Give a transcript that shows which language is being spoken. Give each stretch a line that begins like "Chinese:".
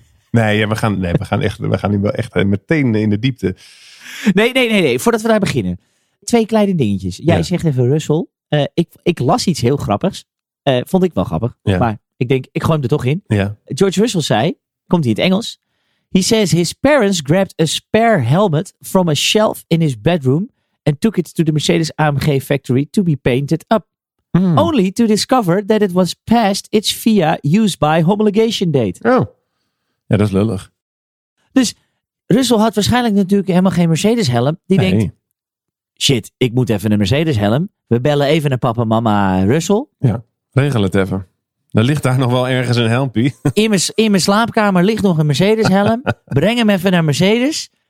Dutch: Nee, ja, we gaan nu wel echt meteen in de diepte. Nee. Voordat we daar beginnen. Twee kleine dingetjes. Jij zegt even Russel. Ik las iets heel grappigs. Vond ik wel grappig. Ja. Maar ik denk, ik gooi hem er toch in. Ja. George Russel zei, komt hij in het Engels.
English: He says his parents grabbed a spare helmet from a shelf in his bedroom. And took it to the Mercedes AMG factory to be painted up. Hmm. Only to discover that it was past its FIA use by homologation date.
Dutch: Oh. Ja, dat is lullig. Dus Russel had waarschijnlijk natuurlijk helemaal geen Mercedes helm. Die denkt, shit, ik moet even een Mercedes helm. We bellen even naar papa, mama, Russel. Ja, regel het even. Er ligt daar nog wel ergens een helmpie. In mijn slaapkamer ligt nog een Mercedes helm. Breng hem even naar Mercedes.